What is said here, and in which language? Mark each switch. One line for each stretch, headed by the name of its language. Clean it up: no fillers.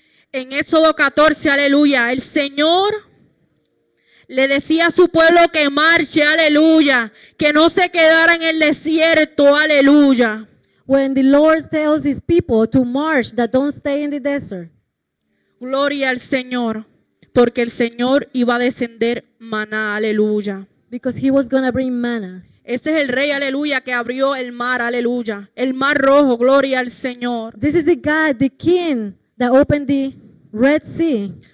Spanish: En Éxodo 14, aleluya, el Señor le decía a su pueblo que marche, aleluya, que no se quedara en el desierto, aleluya.
English: When the Lord tells his people to march, that don't stay in the desert.
Spanish: Gloria al Señor, porque el Señor iba a descender maná, aleluya.
English: Because he was going to bring manna.
Spanish: Ese es el Rey, aleluya, que abrió el mar, aleluya. El Mar Rojo, gloria al Señor.
English: This is the God, the King that opened the Red Sea.